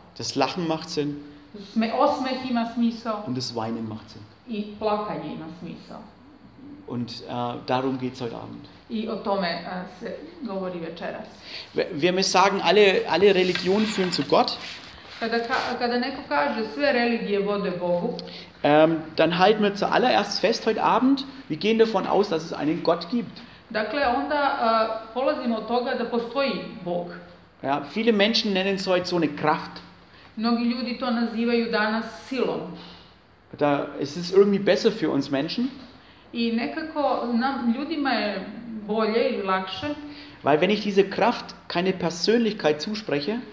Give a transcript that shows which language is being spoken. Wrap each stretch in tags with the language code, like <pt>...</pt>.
<de>Das Lachen macht Sinn.</de> <sr>Osmeh ima smisao.</sr> <de>Und das Weinen macht Sinn.</de> <sr>I plakanje ima smisao.</sr> <de>Und darum geht's heute Abend.</de> <sr>I o tome se govori večeras.</sr> <de>Wir müssen sagen, alle Religionen führen zu Gott.</de> <sr>Kada neko kaže, sve religije vode Bogu.</sr> <de>Dann halten wir zuallererst fest heute Abend, wir gehen davon aus, dass es einen Gott gibt.</de> <sr>Dakle, onda polazimo od toga da postoji Bog.</sr> <de>Ja, viele Menschen nennen es heute so eine Kraft.</de> <sr>Mnogi ljudi to nazivaju danas silom.</sr> <de>Da, es ist irgendwie besser für uns Menschen.</de> <sr>I nekako nam ljudima je bolje i lakše.</sr> <de>Weil wenn ich diese Kraft keine Persönlichkeit zuspreche,</de>